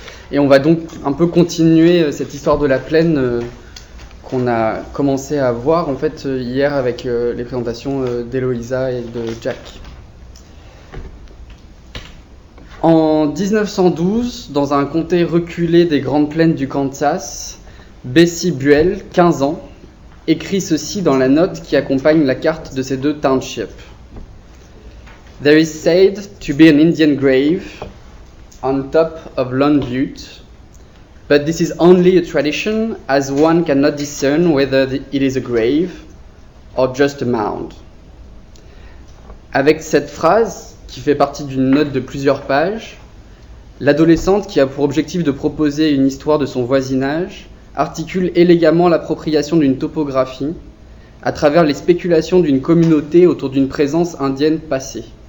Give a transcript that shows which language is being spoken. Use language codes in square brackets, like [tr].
[fr] Et on va donc un peu continuer cette histoire de la plaine qu'on a commencé à voir en fait hier avec les présentations d'Héloïsa et de Jack. En 1912, dans un comté reculé des grandes plaines du Kansas, Bessie Buell, 15 ans, écrit ceci dans la note qui accompagne la carte de ces deux townships. [en] « There is said to be an Indian grave on top of Lone Butte. » But this is only a tradition, as one cannot discern whether it is a grave or just a mound. [fr] Avec cette phrase, qui fait partie d'une note de plusieurs pages, l'adolescente, qui a pour objectif de proposer une histoire de son voisinage, articule élégamment l'appropriation d'une topographie à travers les spéculations d'une communauté autour d'une présence indienne passée.